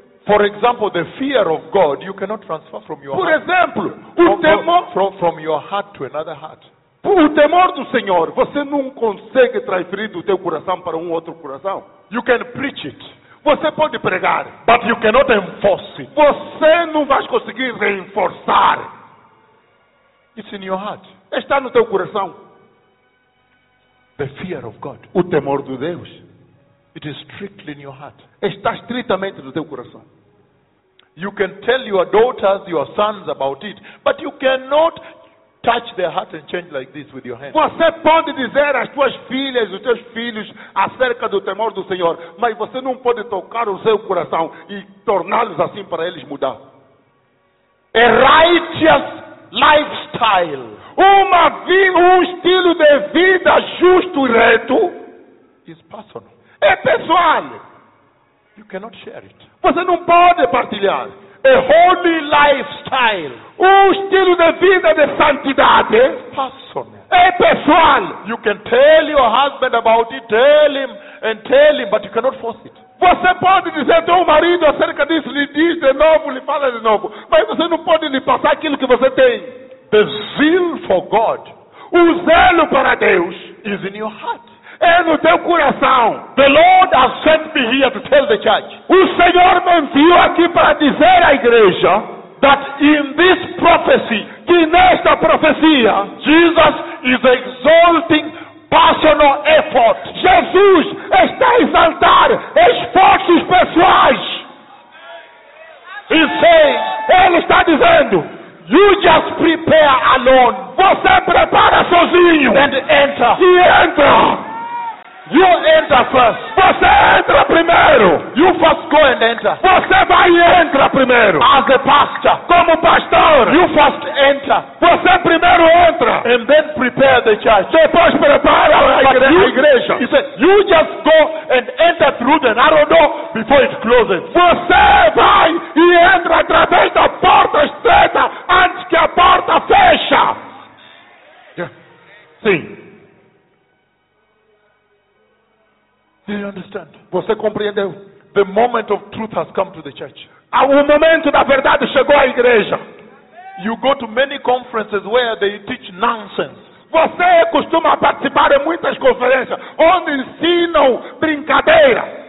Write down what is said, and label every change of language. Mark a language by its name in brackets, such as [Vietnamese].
[English] for example, the fear of God, you cannot transfer from your [Portuguese] por [English] heart. [Portuguese] Exemplo, o temor [English] from your heart to another heart. [Portuguese] O temor do Senhor, você não consegue transferir do teu coração para outro coração. [English] You can preach it. [Portuguese] Você pode pregar. [English] But you cannot enforce it. [Portuguese] Você não vai conseguir reforçar. [English] It's in your heart. [Portuguese] Está no teu coração. [English] The fear of God. [Portuguese] O temor de Deus. [English] It is strictly in your heart. [Portuguese] Está estritamente no teu coração. [English] You can tell your daughters, your sons about it, but you cannot touch their heart and change like this with your hand. [Portuguese] Você pode dizer às tuas filhas, aos teus filhos, acerca do temor do Senhor, mas você não pode tocar o seu coração e torná-los assim para eles mudar. [English] A righteous lifestyle, [Portuguese] estilo de vida justo e reto, [English] is personal. [Portuguese] É pessoal. [English] You cannot share it. [Portuguese] Você não pode partilhar. [English] A holy lifestyle, [Portuguese] estilo de vida de santidade, [English] personal. [Portuguese] É pessoal. [English] You can tell your husband about it. Tell him and tell him, but you cannot force it. [Portuguese] Você pode dizer teu marido acerca disso, lhe diz de novo, lhe fala de novo, mas você não pode lhe passar aquilo que você tem. [English] The zeal for God, [Portuguese] o zelo para Deus, [English] is in your heart. [Portuguese] É no teu coração. [English] The Lord has sent me here to tell the church. [Portuguese] O Senhor me enviou aqui para dizer à igreja [English] that in this prophecy, [Portuguese] que nesta profecia, [English] Jesus is exalting personal effort. [Portuguese] Jesus está a exaltar esforços pessoais. [English] He says, [Portuguese] ele está dizendo, [English] you just prepare alone. [Portuguese] Você prepara sozinho. [English] And enter. [Portuguese] E entra. [English] You enter first. [Portuguese] Você entra primeiro. [English] You first go and enter. [Portuguese] Você vai e entra primeiro. [English] As a pastor. [Portuguese] Como pastor. [English] You first enter. [Portuguese] Você primeiro entra. [English] And then prepare the church. [Portuguese] Depois prepara a igreja. [English] He said, you just go and enter through the narrow door before it closes. [Portuguese] Você vai e entra através da porta estreita antes que a porta feche. [English] Yeah. [Portuguese] Sim. [English] Do you understand? [Portuguese] Você compreende? [English] The moment of truth has come to the church. [Portuguese] O momento da verdade chegou à igreja. [English] You go to many conferences where they teach nonsense. [Portuguese] Você costuma participar em muitas conferências onde ensinam brincadeira.